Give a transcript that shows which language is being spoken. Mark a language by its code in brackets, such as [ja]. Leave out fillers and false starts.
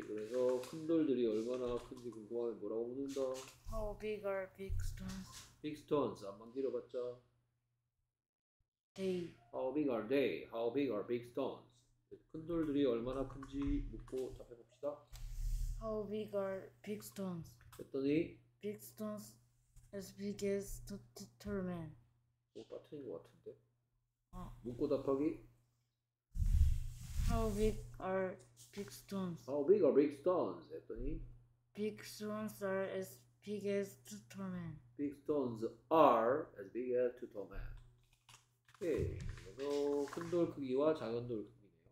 [ko] 그래서 큰 돌들이 얼마나 큰지 궁금하면 뭐라고 묻는다? [en] How big are big stones? Big stones. [ko] 한번 길어봤자. [en] They. How big are they? How big are big stones? [ko] 큰 돌들이 얼마나 큰지 묻고 답해 봅시다. [en] How big are big stones? [ko] 했더니 [en] Big stones as big as the turtle man. [ko] 오, 빠트린 것 같은데. 묻고 답하기. [en] How big are big stones? How big are big stones? [ko] 했더니 [en] Big stones are as big as the turtle man. big stones are as big as two tall men. 오케이. [ko] 그래서 큰돌 크기와 작은 돌 크기네요.